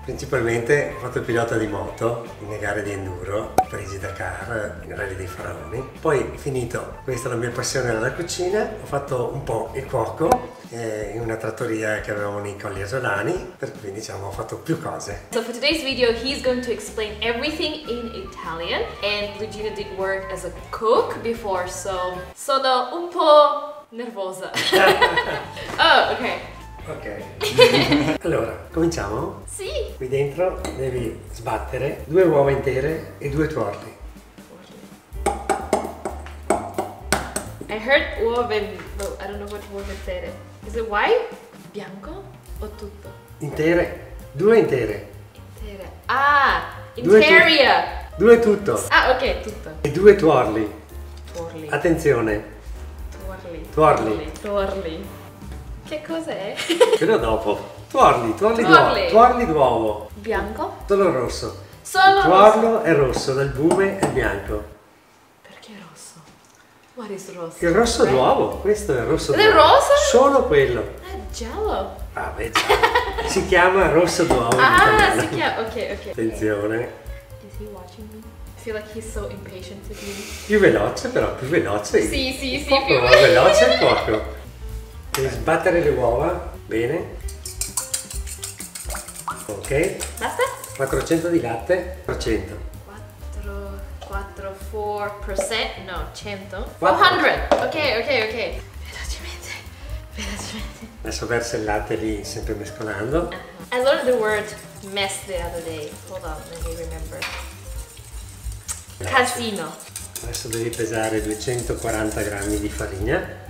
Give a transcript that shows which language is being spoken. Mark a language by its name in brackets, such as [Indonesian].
[Italian] Principalmente ho fatto il pilota di moto nelle gare di enduro, Parigi Dakar, in rally dei faraoni. Poi finito, questa è la mia passione nella cucina, ho fatto un po' il cuoco in una trattoria che avevamo nei Colli Asolani, per cui diciamo ho fatto più cose. [English] So for today's video he's going to explain everything in Italian and Luigino did work as a cook before, so [Italian] sono un po' nervosa. Oh, ok. Ok. Allora, cominciamo? Sì. Qui dentro devi sbattere due uova intere e due tuorli. [English] I heard uova, but I don't know what uova intere. Is it white? [Italian] Bianco o tutto? Intere. Due intere. Intere. Ah, interia. Due tutto. Ah, ok, tutto. E due tuorli. Tuorli. Attenzione. Tuorli. Tuorli. Tuorli. Che cos'è? Quello dopo. Tuorli, tuorli, tuorli d'uovo. Tuorli d'uovo. Bianco? Solo rosso. Solo il tuorlo è rosso, l'albume è bianco. Perché è rosso? [English] What is [Italian] rosso? Il rosso okay. D'uovo, questo è il rosso d'uovo. È rosso? Solo quello. È giallo. Ah, beh, giallo. Si chiama rosso d'uovo. Ah, in si chiama, ok, ok. Attenzione. [English] Okay. Is he watching me? I feel like he's so impatient with me. [Italian] Più veloce però, più veloce. Sì, sì, sì. Proprio, più veloce il cuoco. Devi sbattere le uova, bene. Ok. Basta? 400 di latte, 400. 400%? No, 100. 400. 100. Ok, ok, ok. Velocemente, velocemente. Adesso verso il latte lì, sempre mescolando. [English] I learned the word mess the other day. Hold on, let me remember. [Italian] Grazie. Casino. Adesso devi pesare 240 grammi di farina.